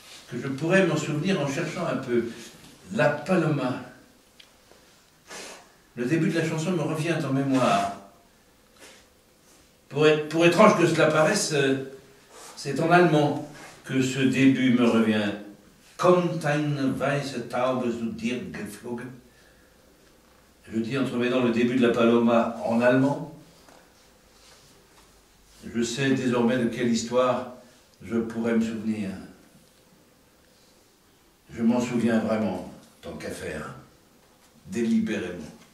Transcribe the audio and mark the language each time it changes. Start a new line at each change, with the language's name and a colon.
French: Que je pourrais m'en souvenir en cherchant un peu. La Paloma. Le début de la chanson me revient en mémoire. Pour étrange que cela paraisse, c'est en allemand que ce début me revient.
German: Kommt eine weiße Taube zu dir geflogen.
French: Je dis entre mes dents le début de la Paloma en allemand. Je sais désormais de quelle histoire je pourrais me souvenir. Je m'en souviens vraiment, tant qu'à faire, délibérément.